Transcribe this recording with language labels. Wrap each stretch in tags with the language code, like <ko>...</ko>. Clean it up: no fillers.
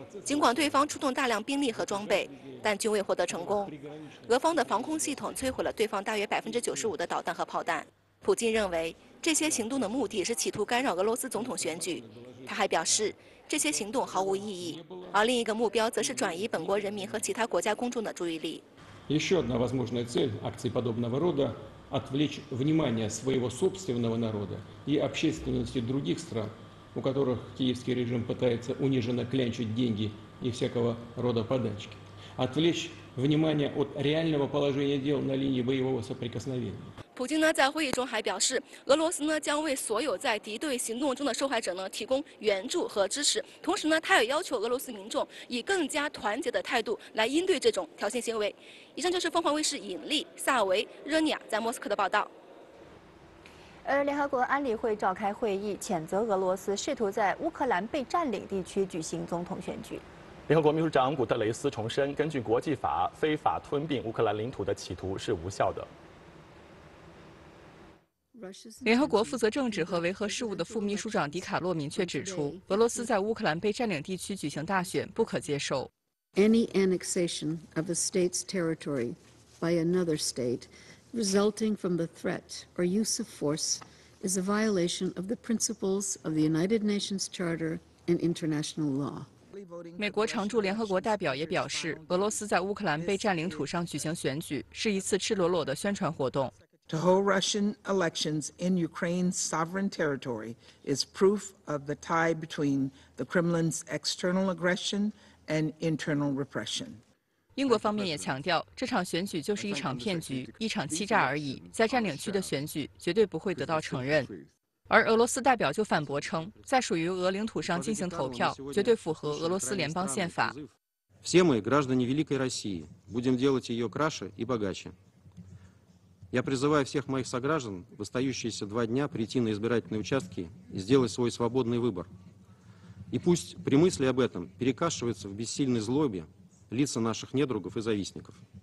<zh>尽管对方出动大量兵力和装备，但均未获得成功。俄方的防空系统摧毁了对方大约95%的导弹和炮弹。普京认为，这些行动的目的是企图干扰俄罗斯总统选举。他还表示，这些行动毫无意义，而另一个目标则是转移本国人民和其他国家公众的注意力。</zh> <ru>Еще одна возможная цель акций подобного рода – отвлечь внимание своего собственного народа и общественности других стран, у которых киевский режим пытается униженно клянчить деньги и всякого рода подачки. Отвлечь внимание от реального положения дел на линии боевого соприкосновения.</ru> <zh>普京呢在会议中还表示，俄罗斯呢将为所有在敌对行动中的受害者呢提供援助和支持。同时呢，他也要求俄罗斯民众以更加团结的态度来应对这种挑衅行为。以上就是凤凰卫视尹丽、萨维、热尼亚在莫斯科的报道。而联合国安理会召开会议，谴责俄罗斯试图在乌克兰被占领地区举行总统选举。联合国秘书长古特雷斯重申，根据国际法，非法吞并乌克兰领土的企图是无效的。联合国负责政治和维和事务的副秘书长迪卡洛明确指出，俄罗斯在乌克兰被占领地区举行大选不可接受。</zh> <en>Any annexation of a state's territory by another state resulting from the threat or use of force is a violation of the principles of the United Nations Charter and international law.</en> <zh>美国常驻联合国代表也表示，俄罗斯在乌克兰被占领土上举行选举是一次赤裸裸的宣传活动。</zh> <en>To hold Russian elections in Ukraine's sovereign territory is proof of the tie between the Kremlin's external aggression and internal repression.</en> <zh>英国方面也强调，这场选举就是一场骗局，一场欺诈而已。在占领区的选举绝对不会得到承认。而俄罗斯代表就反驳称，在属于俄领土上进行投票，绝对符合俄罗斯联邦宪法。</zh> <ru>Все мы граждане великой России, будем делать ее краше и богаче. Я призываю всех моих сограждан, в остающиеся два дня, прийти на избирательные участки и сделать свой свободный выбор. И пусть при мысли об этом перекашиваются в бессильной злобе лица наших недругов и завистников.</ru>